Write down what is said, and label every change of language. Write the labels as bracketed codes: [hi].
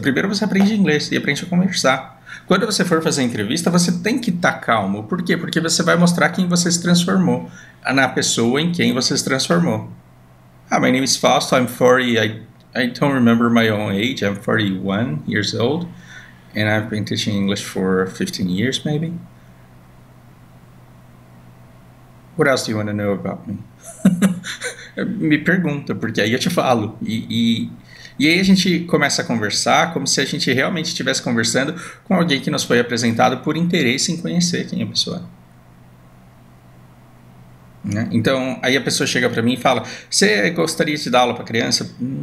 [pt] Primeiro você aprende inglês e aprende a conversar. Quando você for fazer a entrevista, você tem que estar calmo. Por quê? Porque você vai mostrar quem você se transformou, na pessoa em quem você se transformou. [en] Ah, my name is Fausto, I'm 40, I don't remember my own age, I'm 41 years old, and I've been teaching English for 15 years, maybe. What else do you want to know about me? [pt] Me pergunta, porque aí eu te falo. E aí a gente começa a conversar como se a gente realmente estivesse conversando com alguém que nos foi apresentado por interesse em conhecer quem é a pessoa. Né? Então, aí a pessoa chega para mim e fala: você gostaria de dar aula para criança?